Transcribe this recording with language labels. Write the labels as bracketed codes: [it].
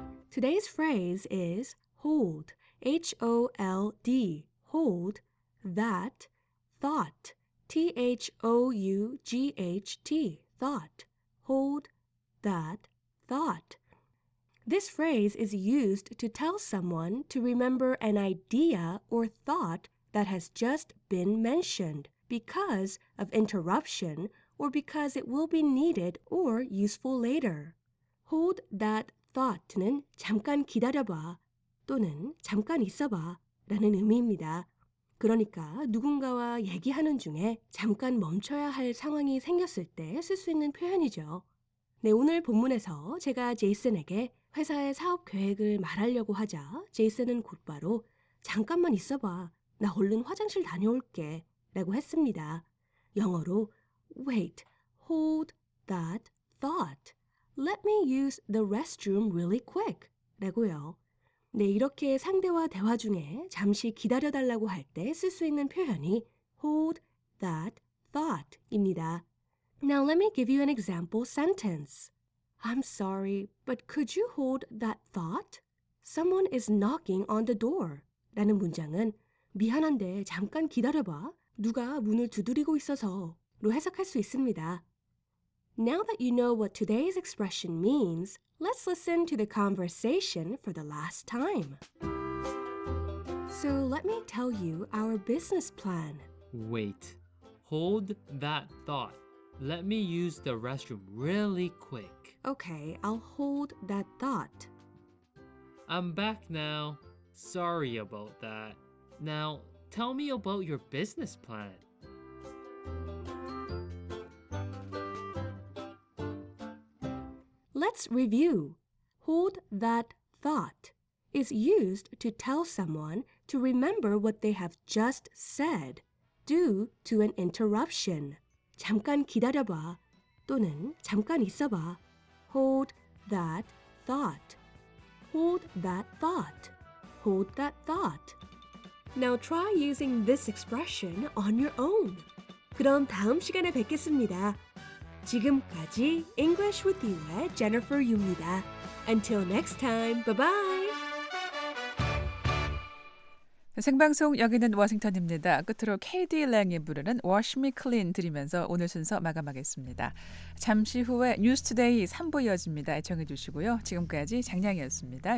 [en] 'Today's phrase is hold, H-O-L-D, hold that thought, T-H-O-U-G-H-T, thought, hold that thought. This phrase is used to tell someone to remember an idea or thought that has just been mentioned because of interruption or because it will be needed or useful later. [ko] Hold that thought는 잠깐 기다려봐 또는 잠깐 있어봐 라는 의미입니다. 그러니까 누군가와 얘기하는 중에 잠깐 멈춰야 할 상황이 생겼을 때 쓸 수 있는 표현이죠. 네, 오늘 본문에서 제가 제이슨에게 회사의 사업 계획을 말하려고 하자 제이슨은 곧바로 잠깐만 있어봐, 나 얼른 화장실 다녀올게 라고 했습니다. [en] 영어로 Wait, hold that thought. Let me use the restroom really quick 라고요. [ko] 네, 이렇게 상대와 대화 중에 잠시 기다려달라고 할 때 쓸 수 있는 표현이 hold that thought입니다. [en] Now let me give you an example sentence. I'm sorry, but could you hold that thought? Someone is knocking on the door. [ko] 라는 문장은 미안한데 잠깐 기다려봐, 누가 문을 두드리고 있어서 로 해석할 수 있습니다. [en] Now that you know what today's expression means, let's listen to the conversation for the last time. So let me tell you our business plan. Wait, hold that thought. Let me use the restroom really quick. Okay, I'll hold that thought. I'm back now. Sorry about that. Now, tell me about your business plan. 'Let's review. Hold that thought is used to tell someone to remember what they have just said due to an interruption. [ko] 잠깐 기다려봐 또는 잠깐 있어봐. [en] Hold that thought. Hold that thought. Hold that thought. Now try using this expression on your own. [ko] 그럼 다음 시간에 뵙겠습니다. 지금까지 English with You의 Jennifer Yu입니다. [en] Until next time, bye-bye! [ko] 생방송 여기는 워싱턴입니다. 끝으로 KD Lang이 부르는 Wash Me Clean 드리면서 오늘 순서 마감하겠습니다. 잠시 후에 뉴스 투데이 3부 이어집니다. 애청해 주시고요. 지금까지 장량이었습니다.